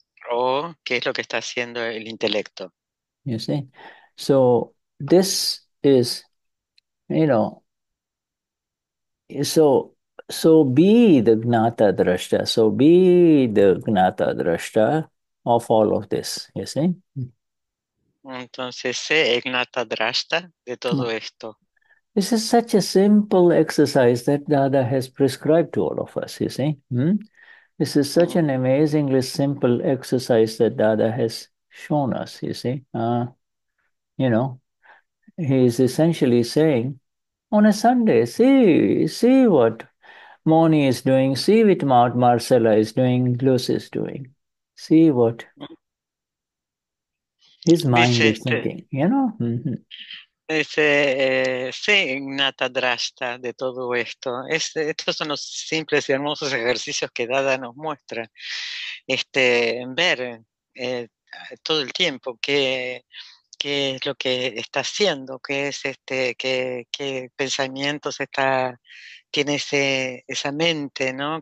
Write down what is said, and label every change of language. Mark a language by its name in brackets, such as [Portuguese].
[Spanish] O qué es lo que está haciendo el intelecto. [English] You see? So this is, you know, so be the Gnata-Drashta, so be the Gnata-Drashta of all of this, you see? [Spanish] Entonces, sé el Gnata-Drashta de todo esto. [English] This is such a simple exercise that Dada has prescribed to all of us, you see? This is such an amazingly simple exercise that Dada has shown us, you see? You know, he is essentially saying, on a Sunday, see what Moni is doing, see what Marcella is doing, Lucy is doing, see what his mind is thinking, you know? [Spanish] Sé Gnata-Drashta de todo esto. Estos son los simples y hermosos ejercicios que Dada nos muestra. Ver todo el tiempo qué es lo que está haciendo, qué es qué pensamientos tiene esa mente, ¿no?